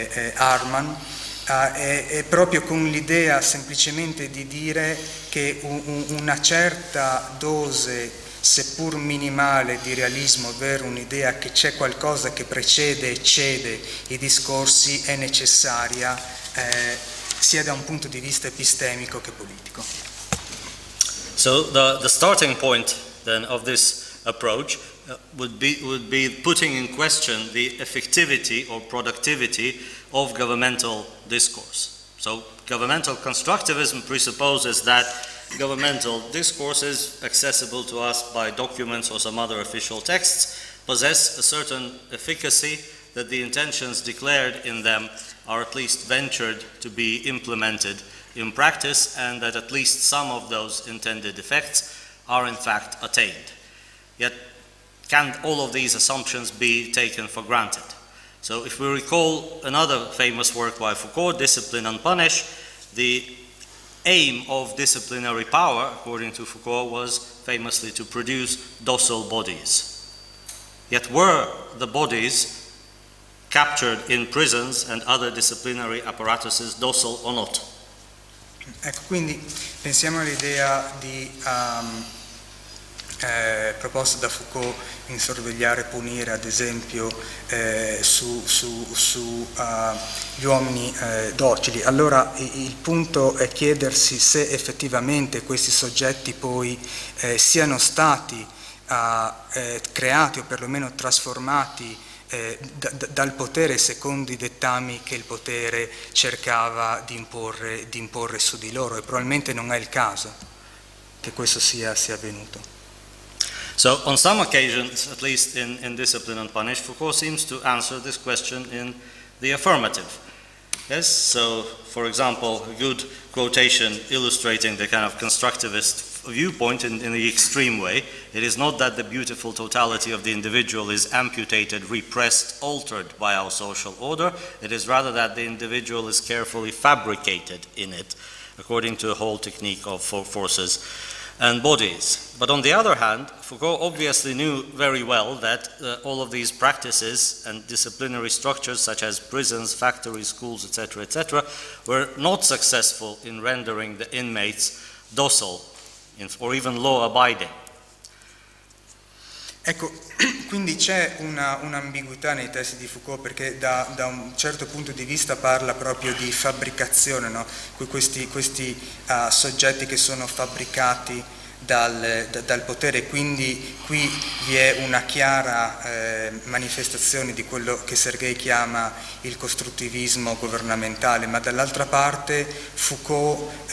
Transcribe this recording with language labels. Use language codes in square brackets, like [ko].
[it] Come Arman, è proprio con l'idea semplicemente di dire che una certa dose, seppur minimale, di realismo, ovvero un'idea che c'è qualcosa che precede e cede i discorsi, è necessaria sia da un punto di vista epistemico che politico. [en] So the starting point then of this approach would be putting in question the effectivity or productivity of governmental discourse. So governmental constructivism presupposes that governmental discourse is accessible to us by documents or some other official texts, possess a certain efficacy, that the intentions declared in them are at least ventured to be implemented in practice, and that at least some of those intended effects are in fact attained. Yet, can all of these assumptions be taken for granted? So if we recall another famous work by Foucault, Discipline and Punish, the aim of disciplinary power, according to Foucault, was famously to produce docile bodies. Yet were the bodies captured in prisons and other disciplinary apparatuses docile or not? [it] Ecco, quindi pensiamo all'idea di proposta da Foucault in sorvegliare e punire, ad esempio, su gli uomini docili. Allora il punto è chiedersi se effettivamente questi soggetti poi siano stati creati o perlomeno trasformati dal potere secondo i dettami che il potere cercava di imporre su di loro, e probabilmente non è il caso che questo sia avvenuto. [en] So on some occasions, at least in Discipline and Punish, Foucault seems to answer this question in the affirmative. Yes, so for example, a good quotation illustrating the kind of constructivist viewpoint in the extreme way: it is not that the beautiful totality of the individual is amputated, repressed, altered by our social order, it is rather that the individual is carefully fabricated in it, according to a whole technique of forces and bodies. But on the other hand, Foucault obviously knew very well that all of these practices and disciplinary structures such as prisons, factories, schools, etc., etc., were not successful in rendering the inmates docile or even law-abiding. [it] Ecco, quindi c'è un'ambiguità nei testi di Foucault, perché da un certo punto di vista parla proprio di fabbricazione, no? Questi soggetti che sono fabbricati dal potere, quindi qui vi è una chiara manifestazione di quello che Sergei chiama il costruttivismo governamentale, ma dall'altra parte Foucault